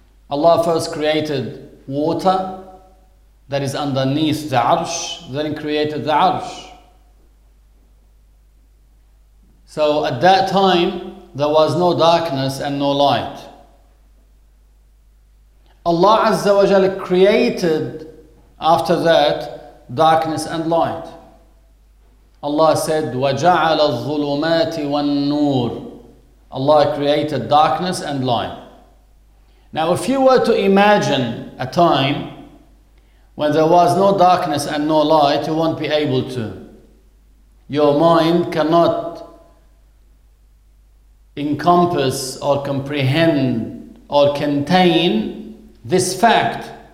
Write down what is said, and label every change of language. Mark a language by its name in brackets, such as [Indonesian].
[English] Allah first created water that is underneath the Arsh, then created the Arsh. So at that time, there was no darkness and no light. Allah Azza wa Jal created after that darkness and light. Allah said, [Arabic] وَجَعَلَ الظُّلُمَاتِ وَالنُّورِ. [English] Allah created darkness and light. Now, if you were to imagine a time when there was no darkness and no light, you won't be able to. Your mind cannot encompass or comprehend or contain this fact.